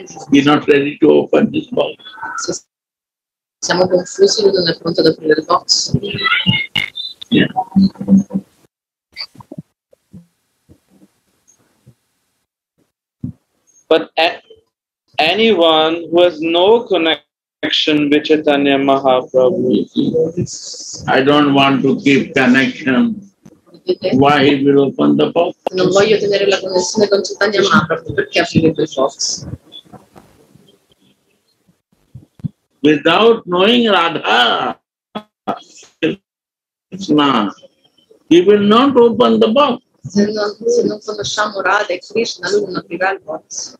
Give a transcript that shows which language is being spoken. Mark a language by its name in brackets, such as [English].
[English] We are not ready to open this box. [Italian] Siamo confusi, non è pronto ad aprire il box. [English] Yeah. But anyone who has no connection connection with Caitanya Mahaprabhu. I don't want to keep connection. Why he will open the box? [Italian] Non voglio tenere la connessione con Caitanya Mahaprabhu. [English] Without knowing Radha Krishna, he will not open the box. [Italian] Se non conosciamo Radha e Krishna, lui non aprirà il box.